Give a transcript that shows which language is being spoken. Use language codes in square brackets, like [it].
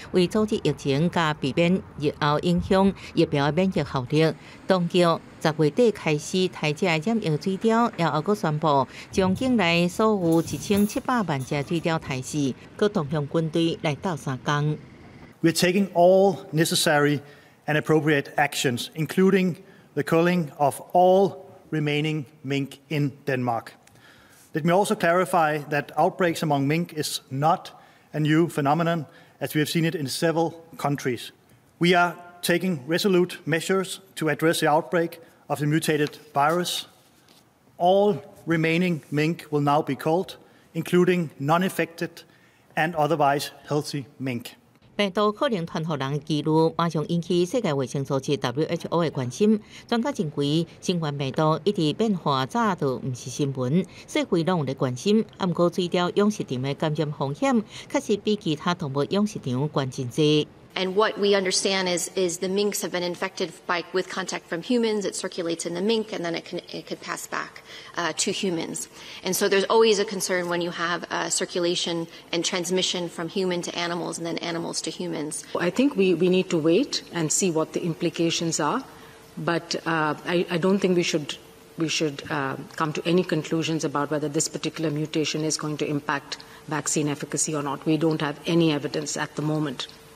[nan] 为阻止疫情加避免日后影响疫苗的免疫效力，当局10月底开始杀只染疫水貂，然后阁宣布将境内所有1700万只水貂杀死，阁动用军队来斗三工。 [en] We're taking all necessary and appropriate actions, including the culling of all remaining mink in Denmark. Let me also clarify that outbreaks among mink is not a new phenomenon, as we have seen it in several countries. We are taking resolute measures to address the outbreak of the mutated virus. All remaining mink will now be culled, including non-infected and otherwise healthy mink. [nan] 病毒可能传染人的记录，马上引起世界卫生组织 WHO 的关心。专家认为，新冠病毒一直变化早就不是新闻，社会拢有在关心。不过，水貂养殖场的感染风险，确实比其他动物养殖场高真多。 [en] And what we understand is the minks have been infected with contact from humans. It circulates in the mink, and then it could pass back to humans. And so there's always a concern when you have circulation and transmission from human to animals, and then animals to humans. I think we need to wait and see what the implications are, but I don't think we should come to any conclusions about whether this particular mutation is going to impact vaccine efficacy or not. We don't have any evidence at the moment.